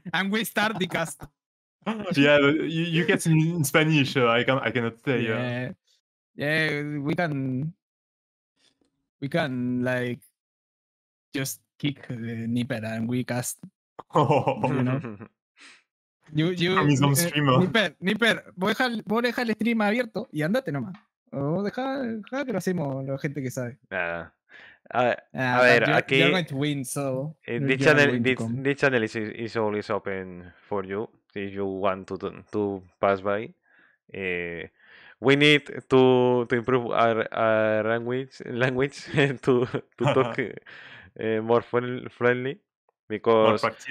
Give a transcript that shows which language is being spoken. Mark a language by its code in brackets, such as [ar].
[en] and we start the cast. Yeah, you get in Spanish, I cannot tell you. Yeah, we can like just kick the Nipper and we cast. I'm streamer. [es] Nipper, voy a dejar el stream abierto y andate nomás. Deja que lo hacemos la gente que sabe. A ver, aquí. [en] You're going to win, so. This channel is always open for you if you want to pass by. We need to improve our language to talk more friendly because